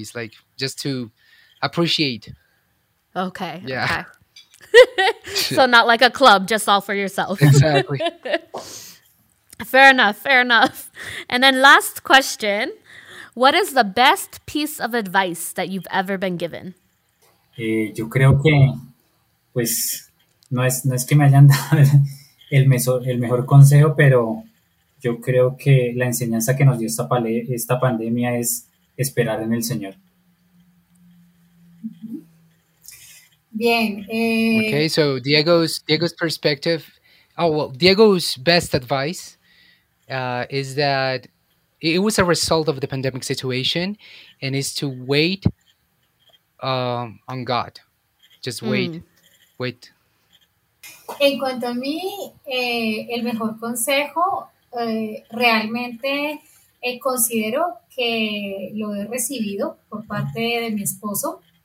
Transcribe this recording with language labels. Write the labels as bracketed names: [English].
[English] It's like just to appreciate. Okay. Yeah. Okay. So not like a club, just all for yourself. Exactly. Fair enough. And then last question. What is the best piece of advice that you've ever been given? [Spanish] Yo creo que, pues, no es que me hayan dado el mejor consejo, pero yo creo que la enseñanza que nos dio esta pandemia es esperar en el Señor. Bien. [English] Okay, so Diego's perspective. Oh, well, Diego's best advice. Is that it was a result of the pandemic situation, and is to wait on God. Just wait, wait. [Spanish] En cuanto a mí, el mejor consejo, realmente considero que lo he recibido por parte de mi esposo.